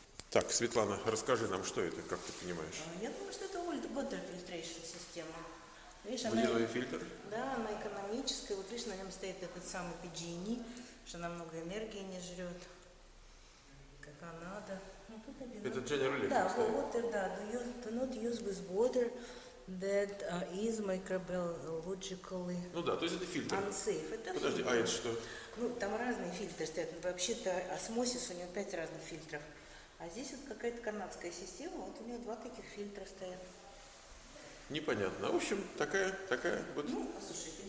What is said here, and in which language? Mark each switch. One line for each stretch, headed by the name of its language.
Russian: Так, Светлана, расскажи нам, что это, как ты понимаешь? Я думаю, что это water filtration система. Видишь, водяной фильтр? Да, она экономическая. Вот видишь, на нем стоит этот самый PG&E, что намного энергии не жрет. Как она надо. Ну, тут это General Electric. Да, water, да.
English: Do not use with water that is microbiologically unsafe.
Russian: Ну да, то есть это фильтр. Это подожди, фильтр. А это что? Ну, там разные фильтры стоят. Вообще-то осмосис, у него 5 разных фильтров. А здесь вот какая-то канадская система, вот у нее 2 таких фильтра стоят. Непонятно. В общем, такая вот, ну, послушайте,